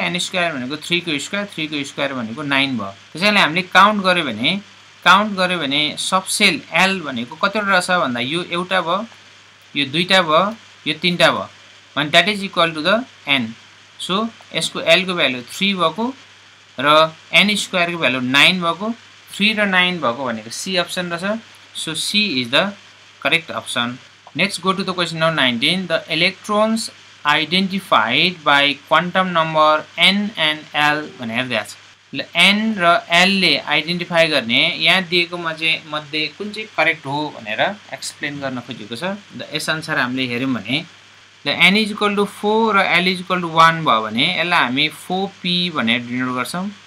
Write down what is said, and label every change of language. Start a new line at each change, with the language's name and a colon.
Nepali: An square भनेको 3 को square भनेको 9 भयो. त्यसैले हामीले काउन्ट गऱ्यो भने सबसेल एल भनेको कतिवटा रहेछ भन्दा यो एउटा भयो, यो दुईवटा भयो, यो तिनवटा भयो, भने
English: That is equal to the n.
Nepali: So यसको एलको भ्यालु 3 भएको र एन स्क्वायरको भ्यालु 9 भएको, 3 र 9 भएको भनेको सी अप्सन रहेछ.
English: So C is the correct option. Next go to the question number 19, the electrons identified by quantum number n and l
Nepali: भनेर दिएछ ल n र l ले identify गर्ने यहाँ दिएको मध्ये कुन चाहिँ करेक्ट हो भनेर एक्सप्लेन गर्न खोजेको छ द यस अनुसार हामीले हेर्यौं भने ल
English: n is equal to 4
Nepali: र
English: l is equal to 1
Nepali: भयो भने यसलाई हामी 4p भनेर डिनोट गर्छौं